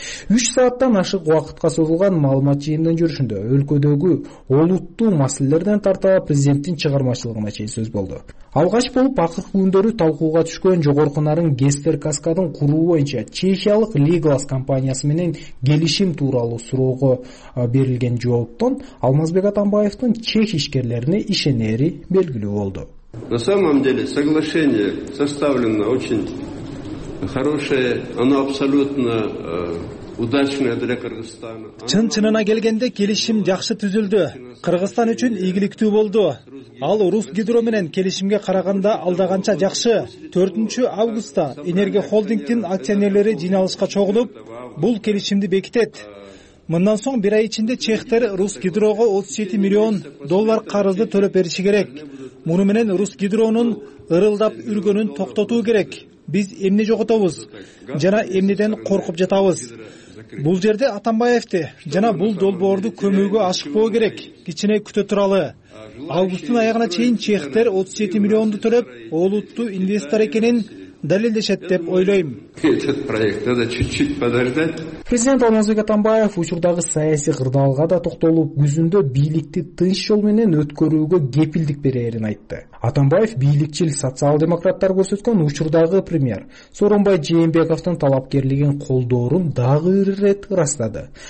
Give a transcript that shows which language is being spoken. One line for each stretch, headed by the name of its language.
Kyrgyz: 3 сааттан ашык убакытка созулган маалымат жыйынынын жүрүшүндө өлкөдөгү олуттуу маселелерден тартып президенттин чыгармачылыгына чейин сөз болду. Алгач болуп акыркы күндөрү талкууга түшкөн жогорку нарын гестер каскадын куруу боюнча чехиялык Лиглас компаниясы менен келишим тууралуу суроого берилген жооптон Алмазбек Атамбаевдин чех ишкерлерине ишенери белгилүү болду.
Russian: На самом деле соглашение составлено очень хорошее, оно абсолютно удачное для Кыргызстана.
Kyrgyz: Чын чынына келгенде келишим жакшы түзүлдү. Кыргызстан үчүн ийгиликтүү болду. Ал Рус гидро менен келишимге караганда алдаганча жакшы. 4 августта энергия холдингдин акционерлери жыйналышка чогулуп, бул келишимди бекитет. Мындан соң бир ай ичинде чехтер Рус гидрого 37 миллион доллар карызды төлөп бериши керек. Муну менен Рус гидронун ырылдап үргөнүн токтотуу керек. Биз эмне жоготобуз жана эмнеден коркуп жатабыз? Бул жерде Атамбаевди жана бул долбоорду көмүүгө ашыкпоо керек. Кичине күтө туралы. Августтун аягына чейин чехтер 37 миллионду төлөп, олуттуу инвестор экенин далилдешет деп ойлойм.
Russian: Этот проект надо чуть-чуть подождать.
Kyrgyz: Президент Алмазбек Атамбаев учурдагы саясий кырдаалга да токтолуп, күзүндө бийликти тынч жол менен өткөрүүгө кепилдик берерин айтты. Атамбаев бийликчил социал-демократтар көрсөткөн учурдагы премьер Сооронбай Жээнбековдун талапкерлигин колдоорун дагы бир ирет ырастады.